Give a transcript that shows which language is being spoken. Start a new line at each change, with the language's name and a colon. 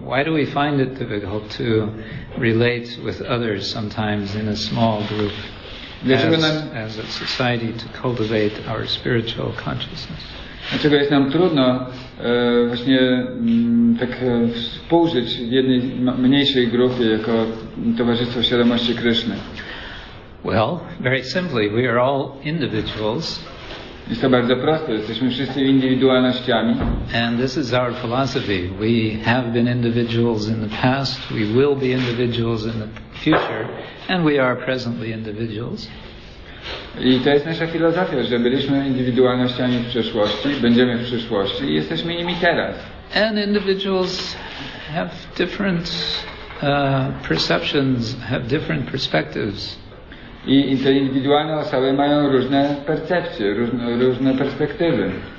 English: Why do we find it difficult to relate with others sometimes in a small group as a society to cultivate our spiritual consciousness?
Polish: Dlaczego jest nam trudno właśnie tak współżyć w jednej mniejszej grupie jako Towarzystwo Świadomości Kryszny?
English: Well, very simply, we are all individuals.
Polish: Jest to bardzo proste, jesteśmy wszyscy indywidualnościami.
English: And this is our philosophy. We have been individuals in the past, we will be individuals in the future, and we are presently individuals.
Polish: I to jest nasza filozofia, że byliśmy indywidualnościami w przeszłości, będziemy w przyszłości i jesteśmy nimi teraz.
English: And individuals have different perceptions, have different perspectives.
Polish: I te indywidualne osoby mają różne percepcje, różne perspektywy.